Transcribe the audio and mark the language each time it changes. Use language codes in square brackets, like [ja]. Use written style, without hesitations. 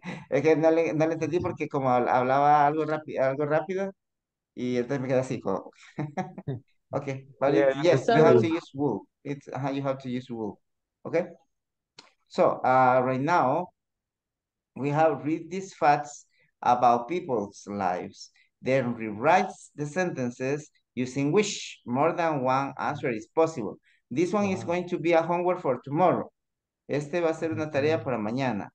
[es] Es que no le entendí porque como hablaba algo rápido y entonces me quedé así. Como... ok, vale. [en] Yeah, yes, sorry. You have to use woo. You have to use woo. Ok. So, right now, we have read these facts about people's lives. Then rewrite the sentences using wish. More than one answer is possible. This one is going to be a homework for tomorrow. [es] Este va a ser una tarea para mañana.